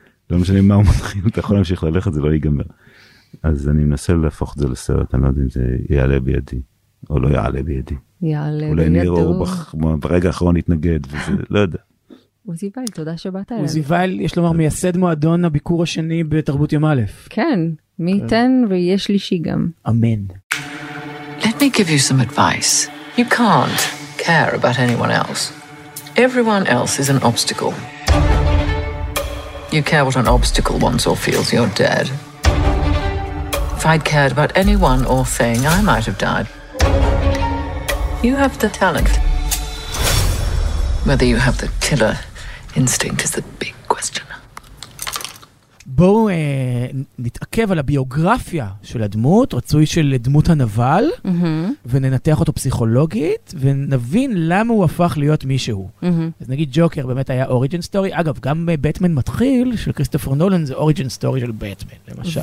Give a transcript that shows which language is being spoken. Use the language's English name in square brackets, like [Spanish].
[Hebrew] לא משנה מה הוא מתחיל, אתה יכול להמשיך ללכת, זה לא ייגמר. אז אני מנסה להפוך את זה לסרט, אני לא יודע אם זה יעלה בידי, או לא יעלה בידי. יעלה בידו. אולי ניר אורבך ברגע האחרון יתנגד, וזה, לא יודע. עוזי וייל, תודה שבאת אליי. עוזי וייל, יש לומר, מייסד מועדון הביקור השני בתרבות יום א'. כן, מי ייתן ויהיה שלישי גם. אמן. [English] Let me give you some advice. You can't care about anyone else. Everyone else is an obstacle. You care what an obstacle wants or feels, you're dead. If I'd cared about anyone or thing, I might have died. You have the talent. Whether you have the killer instinct is the big question. [Hebrew] בואו נתעכב על הביוגרפיה של הדמות, רצוי של דמות הנבל, וננתח אותו פסיכולוגית, ונבין למה הוא הפך להיות מישהו. אז נגיד ג'וקר באמת היה אוריג'ן סטורי, אגב גם בטמן מתחיל של כריסטופר נולן זה אוריג'ן סטורי של בטמן למשל.